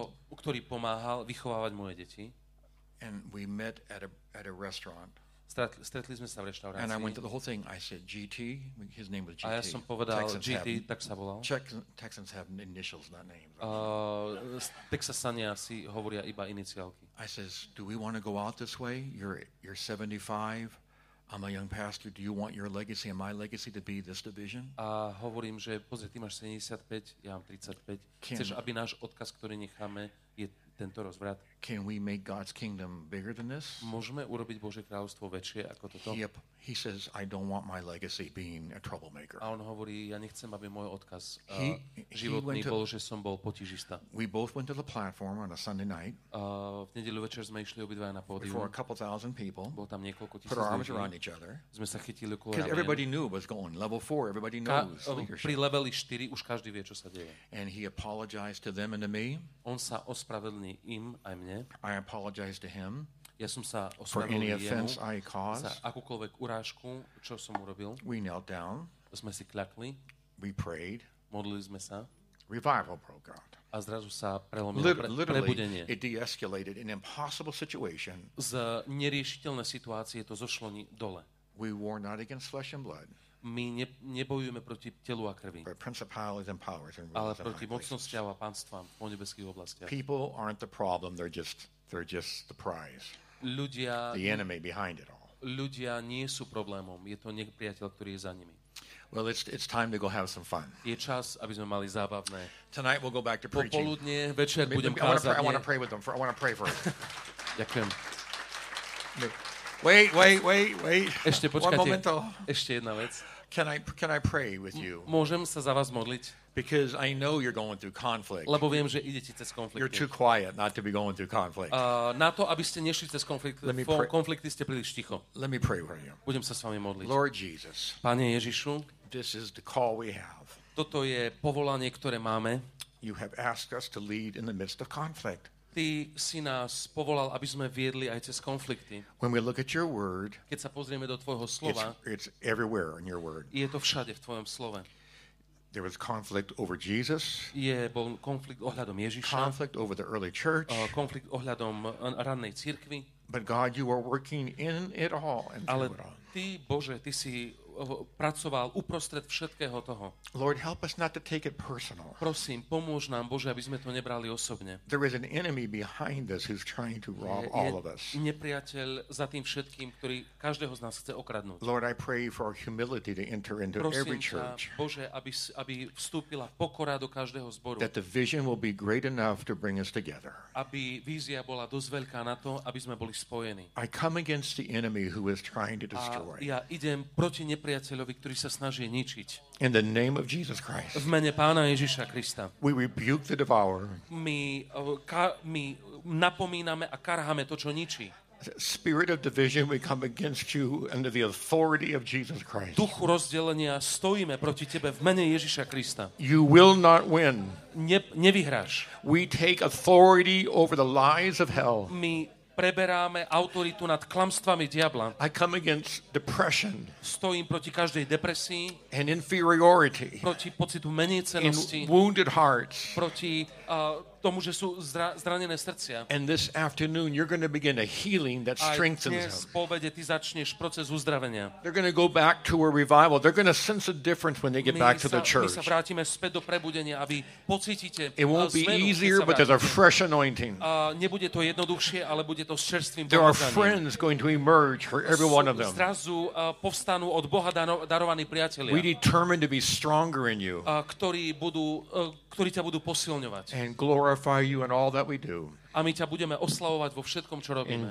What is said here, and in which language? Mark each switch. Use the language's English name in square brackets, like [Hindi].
[Slovak] ktorý pomáhal vychovávať moje deti. [English] And we met at a restaurant. [Slovak] Stretli sme sa v reštaurácii. [English] And I went to the whole thing. I said GT, his name was GT. [Slovak] A ja som povedal Texans GT, have, tak sa volal. [English] Texans have initials, not names. [Slovak] Texasania asi hovoria iba iniciálky. [English] I says, do we want to go out this way? You're 75. I'm a young pastor. Do you want your legacy and my legacy to be this division? [Slovak] A hovorím, že pozri, ty máš 75, ja mám 35. Chceš, aby náš odkaz, ktorý necháme, je tento rozvrat? [English] Can we make God's kingdom bigger than this? [Slovak] Môžeme urobiť Božie kráľovstvo väčšie ako toto? [English] Yep. He says, I don't want my legacy being a troublemaker. [Slovak] A on hovorí, ja nechcem, aby môj odkaz životný bol, že som bol potížista. [English] We both went to the platform on a Sunday night. [Slovak] V nedeľu večer sme išli obidvaja na pódium. [English] Before a couple thousand people. [Slovak] Bol tam niekoľko tisíc ľudí. [English] Put our arms around each other. [Slovak] Sme sa chytili okolo ramien. [English] Everybody knew what was going. Level 4, everybody knows. [Slovak] Pri leveli 4 už každý vie, čo sa deje. [English] And he apologized to them and to me. [Slovak] On sa ospravedlnil im aj mne. [English] I apologized to him. [Slovak] Ja som sa ospravedlnil jemu. [English] For any offense I caused. [Slovak] Za akúkoľvek urážku, čo som urobil. [English] We knelt down. [Slovak] Sme si klakli. [English] We prayed. [Slovak] Modlili sme sa. [English] Revival broke out. [Slovak] A zrazu sa prelomilo prebudenie. [English] It de-escalated an impossible situation. [Slovak] Z neriešiteľnej situácie to zošlo dole. [English] We war not against flesh and blood. [Slovak] My nebojujeme proti telu a krvi. [English] But principalities and powers and [Slovak] ale proti mocnostiam a panstvám v nebeských oblastiach. [English] People aren't the problem, they're just the prize. [Slovak] Ľudia, [English] the enemy behind it all. [Slovak] Ľudia nie sú problémom, je to nepriateľ, ktorý je za nimi. [English] Well, it's time to go have some fun. [Slovak] Je čas, aby sme mali zábavné. [English] Tonight we'll go back to preaching. [Slovak] Popoludne, večer budem kázať. [English] I want to pray with them. I want to pray for them. [Slovak] Ďakujem. [English] Wait. [Slovak] Ešte počkajte. [English] One momento. [Slovak] Ešte jedna vec. [English] Can I pray with you? [Slovak] Môžem sa za vás modliť? [English] Because I know you're going through conflict. [Slovak] Lebo viem, že idete cez konflikt. [English] You're too quiet not to be going through conflict. [Slovak] Na to, aby ste nešli cez konflikt, konflikty ste príliš ticho. [English] Let me pray for you. [Slovak] Budem sa s vami modliť. [English] Lord Jesus. [Slovak] Pane Ježišu. [English] This is the call we have. [Slovak] Toto je povolanie, ktoré máme. [English] You have asked us to lead in the midst of conflict. [Slovak] Ty si nás povolal, aby sme viedli aj cez konflikty. [English] When we look at your word, [Slovak] keď sa pozrieme do tvojho slova, [English] it's everywhere in your word. [Slovak] Je to všade v tvojom slove. [English] There was conflict over Jesus. [Slovak] Je bol konflikt ohľadom Ježiša. [English] Conflict over the early church. [Slovak] Konflikt ohľadom ranej cirkvi. [English] But God, you are working in it all and [Slovak] ale [English] through it all. [Slovak] Ty, Bože, ty si pracoval uprostred všetkého toho. [English] Lord, help us not to take it personal. [Slovak] Prosím, pomôž nám, Bože, aby sme to nebrali osobne. [English] There is an enemy behind us who's trying to rob all of us. [Slovak] Je nepriateľ za tým všetkým, ktorý každého z nás chce okradnúť. [English] Lord, I pray for humility to enter into every church. [Slovak] Prosím, Bože, aby vstúpila pokora do každého zboru. [English] That the vision will be great enough to bring us together. [Slovak] Aby vízia bola dosť veľká na to, aby sme boli spojení. [English] I come against the enemy who is trying to destroy. [Slovak] Ja idem proti nepriateľovi, ktorý sa snaží ničiť. [English] In the name of Jesus Christ. [Slovak] V mene Pána Ježiša Krista. [English] We rebuke the devourer. [Slovak] My napomíname a karháme to, čo ničí. [English] Spirit of division, we come against you under the authority of Jesus Christ. [Slovak] Duchu rozdelenia stojíme proti tebe v mene Ježiša Krista. [English] You will not win. [Slovak] Nevyhráš. [English] We take authority over the lies of hell. [Slovak] My preberáme autoritu nad klamstvami diabla. [English] I come against depression. [Slovak] Stojím proti každej depresii. [English] And inferiority. [Slovak] Proti pocitu menejcennosti. [English] And wounded hearts. [Slovak] Proti tomu, že sú zranené srdcia. [English] And this afternoon you're going to begin a healing that strengthens them. [Slovak] Aj dnes povede, ty začneš proces uzdravenia. [English] They're going to go back to a revival. They're going to sense a difference when they get back to the church. [Slovak] My sa vrátime späť do prebudenia, aby pocítite zmenu. [English] It won't be easier, but there's a fresh anointing. [Slovak] Nebude to jednoduchšie, ale bude to s čerstvým pomazaním. [English] There are friends going to emerge for every one of them. [Slovak] Zrazu povstanú od Boha darovaní priatelia. [English] We determine to be stronger in you. [Slovak] Ktorí ťa budú posilňovať. [English] And glorify you in all that we do. [Slovak] A my ťa budeme oslavovať vo všetkom, čo robíme.